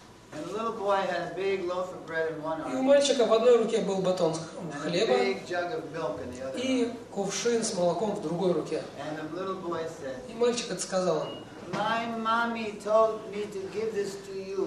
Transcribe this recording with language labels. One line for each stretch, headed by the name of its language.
English: And the little boy had a big loaf of bread in one arm.
Russian: И у мальчика в одной руке был батон хлеба.
English: And a big jug of milk in the other.
Russian: И кувшин с молоком в другой руке.
English: And the little boy said.
Russian: И мальчик это сказал.
English: My mommy told me to give this to you.